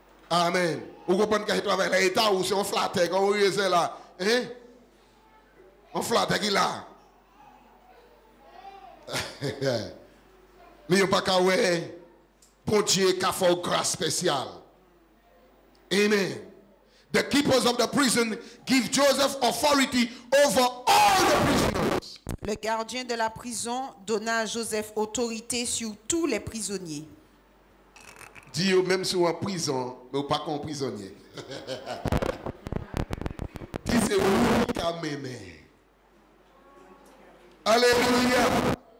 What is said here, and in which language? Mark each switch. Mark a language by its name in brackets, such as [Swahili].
[French] Amen. Vous comprenez que je travaille là, l'État où c'est un flatte, comme vous voyez là. Hein? Un flatte qui est là. Mais il n'y a pas qu'à voir pour Dieu qui a fait une grâce spéciale. Amen. [English] The keepers of the prison give Joseph authority over all the prisoners. [French] Le gardien de la prison donna à Joseph autorité sur tous les prisonniers. Dieu, même si vous êtes en prison, mais vous n'êtes pas en prisonnier. Qui c'est vous qui a m'aimé? Alléluia.